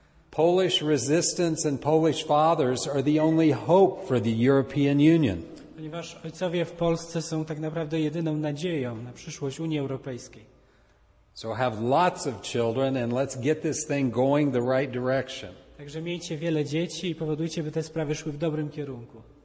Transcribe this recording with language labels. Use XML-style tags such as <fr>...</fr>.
<en>Polish resistance and Polish fathers are the only hope for the European Union.</en> <pl>Ponieważ ojcowie w Polsce są tak naprawdę jedyną nadzieją na przyszłość Unii Europejskiej.</pl> <en>So have lots of children and let's get this thing going the right direction.</en> <pl>Także miejcie wiele dzieci i powodujcie, by te sprawy szły w dobrym kierunku.</pl>